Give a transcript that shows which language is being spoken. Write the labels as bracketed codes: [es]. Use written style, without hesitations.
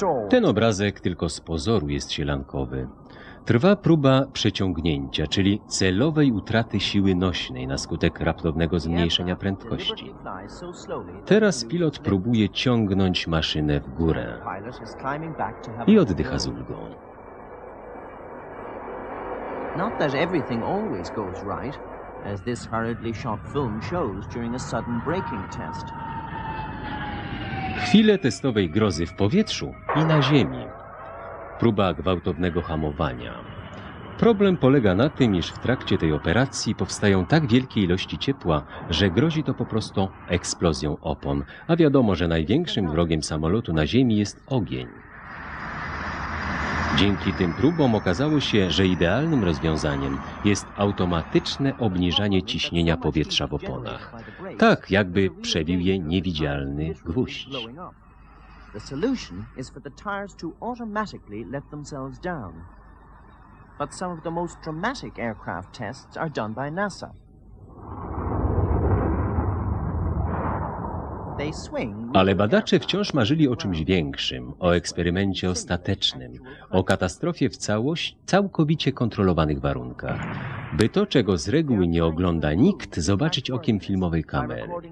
[pl] Ten obrazek tylko z pozoru jest sielankowy. Trwa próba przeciągnięcia, czyli celowej utraty siły nośnej na skutek raptownego zmniejszenia prędkości. Teraz pilot próbuje ciągnąć maszynę w górę i oddycha z ulgą. [en] Not that everything always goes right, as this hurriedly shot film shows during a sudden braking test. [pl] Chwilę testowej grozy w powietrzu i na ziemi. Próba gwałtownego hamowania. Problem polega na tym, iż w trakcie tej operacji powstają tak wielkie ilości ciepła, że grozi to po prostu eksplozją opon. A wiadomo, że największym wrogiem samolotu na ziemi jest ogień. Dzięki tym próbom okazało się, że idealnym rozwiązaniem jest automatyczne obniżanie ciśnienia powietrza w oponach. Tak, jakby przebił je niewidzialny gwóźdź. [en] The solution is for the tires to automatically let themselves down. But some of the most dramatic aircraft tests are done by NASA. [pl] Ale badacze wciąż marzyli o czymś większym, o eksperymencie ostatecznym, o katastrofie w całkowicie kontrolowanych warunkach. By to, czego z reguły nie ogląda nikt, zobaczyć okiem filmowej kamery.